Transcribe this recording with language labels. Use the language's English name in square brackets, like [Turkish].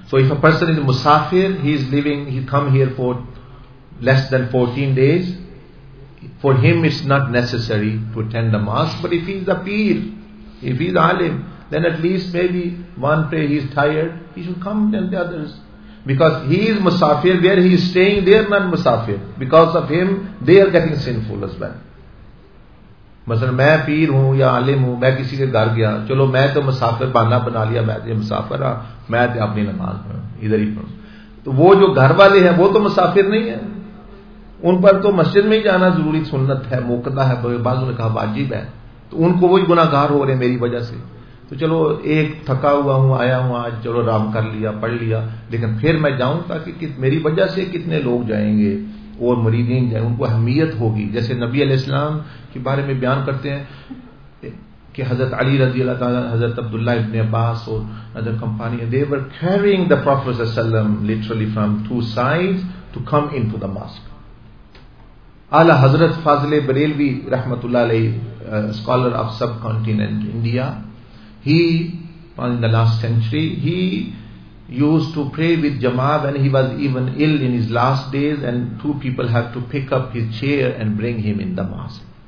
[English] So if a person is musafir, he is living, he come here for less than 14 days, for him it's not necessary to attend the mosque. But if he is a peer, if he is alim, then at least maybe one prayer, he is tired, he should come and tell the others. Because he is musafir, where he is staying, they are not musafir. Because of him, they are getting sinful as well. [Urdu] مثلا میں پیر ہوں یا عالم ہوں میں کسی کے گھر گیا چلو میں تو مسافر بانا بنا لیا میں تو مسافر ہوں میں تو اپنی نماز پڑھوں ادھر ہی پڑھوں تو وہ جو گھر والے ہیں وہ تو مسافر نہیں ہیں ان پر تو مسجد میں ہی جانا ضروری سنت ہے موقع ہے بعضوں نے کہا واجب ہے تو ان کو وہی گناہگار ہو رہے ہیں میری وجہ سے تو چلو ایک تھکا ہوا ہوں آیا ہوں آج چلو آرام کر لیا پڑھ لیا لیکن پھر میں جاؤں تاکہ میری وجہ سے کتنے لوگ جائیں گے اور مریدین جائیں ان کو اہمیت ہوگی جیسے نبی علیہ السلام کے بارے میں بیان کرتے ہیں کہ حضرت علی رضی اللہ تعالیٰ حضرت عبداللہ ابن عباس اور حضرت کمپانی [English] they were carrying the Prophet صلی اللہ علیہ وسلم literally from 2 sides to come into the mosque. اعلی حضرت فاضل بریلوی رحمت اللہ علیہ scholar of subcontinent India, he in the last century he used to pray with jama'ah when he was even ill in his last days, and 2 people had to pick up his chair and bring him in the mosque.